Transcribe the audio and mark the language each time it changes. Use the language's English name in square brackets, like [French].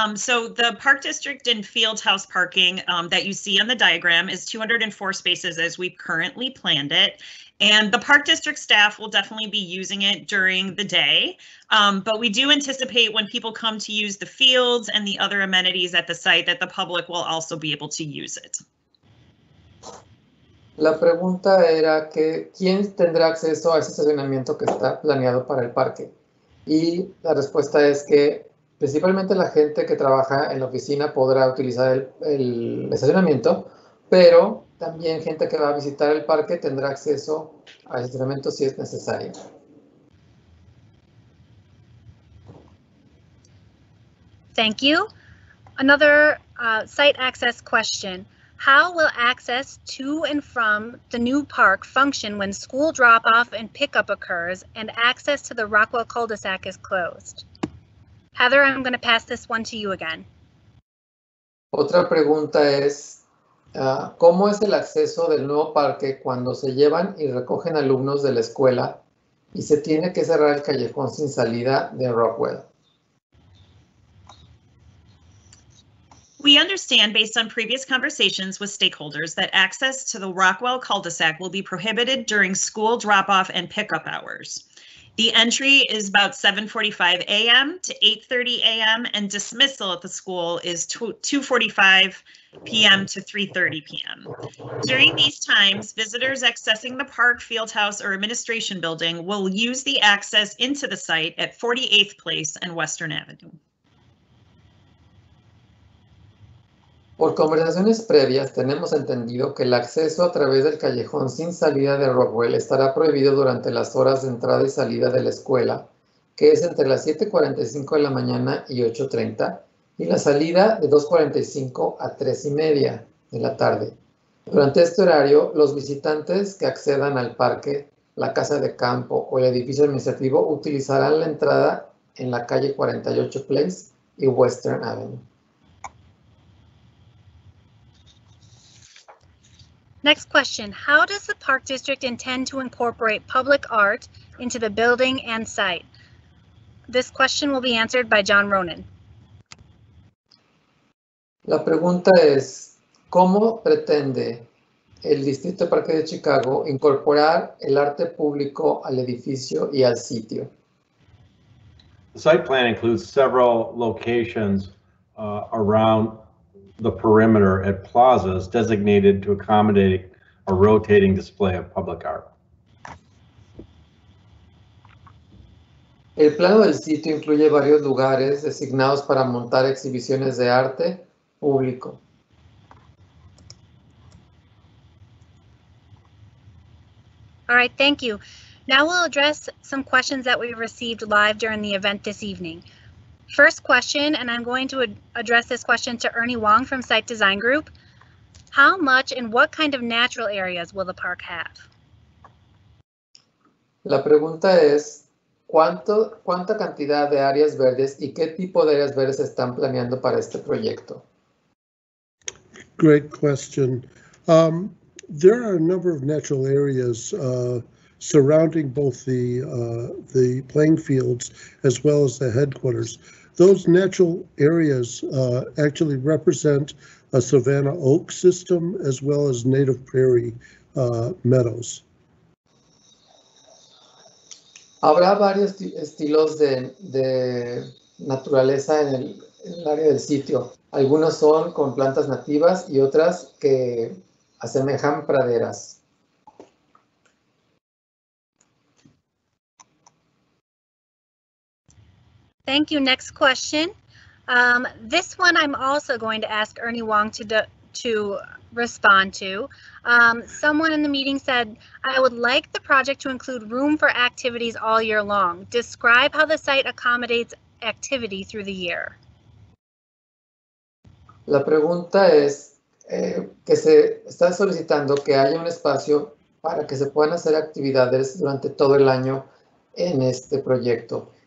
[English] So the Park District and Fieldhouse parking that you see on the diagram is 204 spaces as we've currently planned it. And the Park District staff will definitely be using it during the day. But we do anticipate when people come to use the fields and the other amenities at the site that the public will also be able to use it. [Spanish] La pregunta era que quién tendrá acceso a ese estacionamiento que está planeado para el parque. Y la respuesta es que principalmente la gente que trabaja en la oficina podrá utilizar el estacionamiento, pero también gente que va a visitar el parque tendrá acceso al estacionamiento si es necesario. [English] Thank you. Another site access question. How will access to and from the new park function when school drop-off and pickup occurs and access to the Rockwell cul-de-sac is closed? Heather, I'm going to pass this one to you again. [Spanish] Otra pregunta es, ¿cómo es el acceso del nuevo parque cuando se llevan y recogen alumnos de la escuela y se tiene que cerrar el callejón sin salida de Rockwell? [English] We understand, based on previous conversations with stakeholders, that access to the Rockwell cul-de-sac will be prohibited during school drop-off and pickup hours. The entry is about 7:45 a.m. to 8:30 a.m., and dismissal at the school is 2:45 p.m. to 3:30 p.m. During these times, visitors accessing the park, fieldhouse, or administration building will use the access into the site at 48th Place and Western Avenue. [Spanish] Por conversaciones previas, tenemos entendido que el acceso a través del callejón sin salida de Rockwell estará prohibido durante las horas de entrada y salida de la escuela, que es entre las 7:45 de la mañana y 8:30, y la salida de 2:45 a 3:30 de la tarde. Durante este horario, los visitantes que accedan al parque, la casa de campo o el edificio administrativo utilizarán la entrada en la calle 48 Place y Western Avenue. [English] Next question, how does the park district intend to incorporate public art into the building and site? This question will be answered by John Ronan. [Spanish] La pregunta es, ¿cómo pretende el Distrito Parque de Chicago incorporar el arte público al edificio y al sitio? [English] The site plan includes several locations around the perimeter at plazas designated to accommodate a rotating display of public art. [Spanish] El plano del sitio incluye varios lugares designados para montar exhibiciones de arte público. [English] All right, thank you. Now we'll address some questions that we received live during the event this evening. First question, and I'm going to address this question to Ernie Wong from Site Design Group. How much and what kind of natural areas will the park have? [Spanish] La pregunta es, ¿cuánta cantidad de áreas verdes y qué tipo de áreas verdes están planeando para este proyecto? [English] Great question. There are a number of natural areas surrounding both the playing fields as well as the headquarters. Those natural areas actually represent a savanna oak system as well as native prairie meadows. [Spanish] Habrá varios estilos de naturaleza en el área del sitio. Algunos son con plantas nativas y otras que asemejan praderas. [English] Thank you. Next question. This one I'm also going to ask Ernie Wong to respond to. Someone in the meeting said, I would like the project to include room for activities all year long. Describe how the site accommodates activity through the year. [Spanish] La pregunta es que se está solicitando que haya un espacio para que se puedan hacer actividades durante todo el año en este proyecto.